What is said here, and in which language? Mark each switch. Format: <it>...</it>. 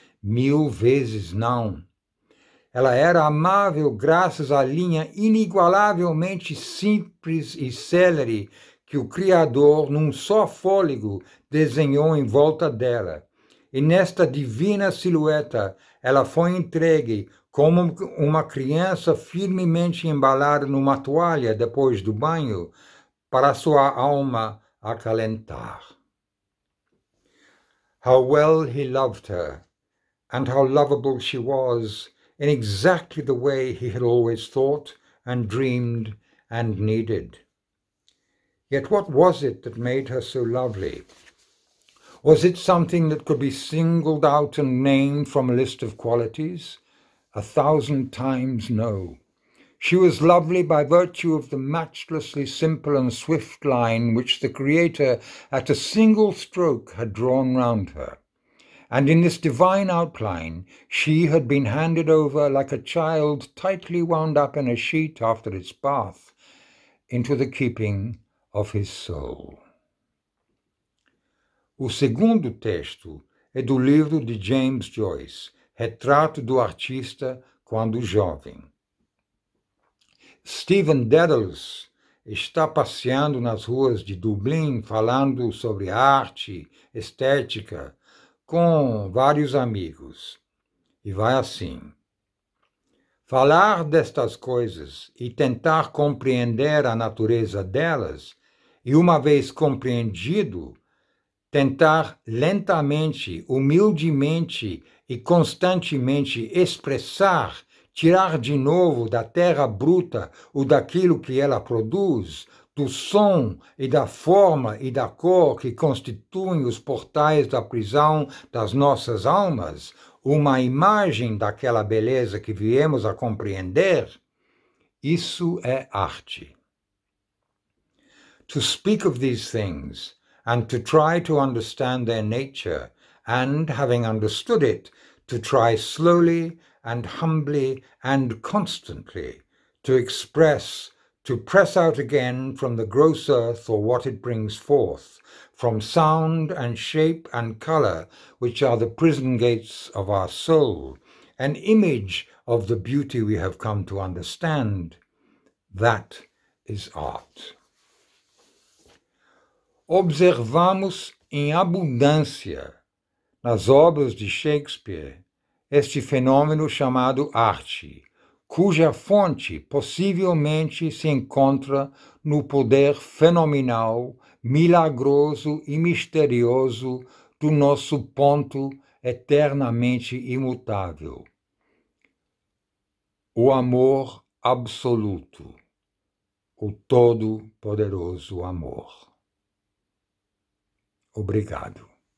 <pt>Mil vezes não. Ela era amável graças à linha inigualavelmente simples e célere que o Criador, num só fôlego, desenhou em volta dela. E nesta divina silhueta, ela foi entregue como uma criança firmemente embalada numa toalha depois do banho, para sua alma acalentar.</pt> <en>How well he loved her, and how lovable she was, in exactly the way he had always thought and dreamed and needed. Yet what was it that made her so lovely? Was it something that could be singled out and named from a list of qualities? A thousand times no. She was lovely by virtue of the matchlessly simple and swift line which the Creator at a single stroke had drawn round her. And in this divine outline, she had been handed over like a child tightly wound up in a sheet after its bath into the keeping of his soul.</en> <pt>O segundo texto é do livro de James Joyce, Retrato do Artista quando Jovem. Stephen Dedalus está passeando nas ruas de Dublin falando sobre arte, estética, com vários amigos. E vai assim: falar destas coisas e tentar compreender a natureza delas, e uma vez compreendido, tentar lentamente, humildemente e constantemente expressar, tirar de novo da terra bruta o daquilo que ela produz, do som e da forma e da cor que constituem os portais da prisão das nossas almas, uma imagem daquela beleza que viemos a compreender, isso é arte.</pt> <en>To speak of these things, and to try to understand their nature, and, having understood it, to try slowly and humbly and constantly to express, to press out again from the gross earth or what it brings forth, from sound and shape and colour, which are the prison gates of our soul, an image of the beauty we have come to understand, that is art.</en> <pt>Observamos em abundância nas obras de Shakespeare este fenômeno chamado arte, cuja fonte possivelmente se encontra no poder fenomenal, milagroso e misterioso do nosso ponto eternamente imutável, o amor absoluto, o todo-poderoso amor. Obrigado.</pt>